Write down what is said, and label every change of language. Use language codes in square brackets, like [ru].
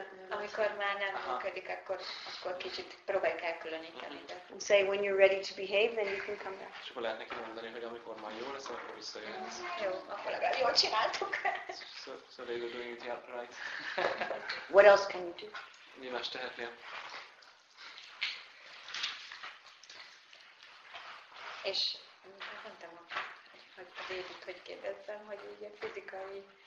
[hu] Amikor már nem működik, akkor kicsit próbáljuk elkülöníteni. [en] And say, when you're ready to behave, then you can come back. [hu] És akkor lehet neki mondani, hogy amikor már jó lesz, akkor visszajön. Jó, akkor legalább jól csináltuk. [en] So they were doing it right. What else can you do? [hu] Mi más tehetnél? És mondtam, hogy a David, hogy kérdezzem, hogy ugye fizikai...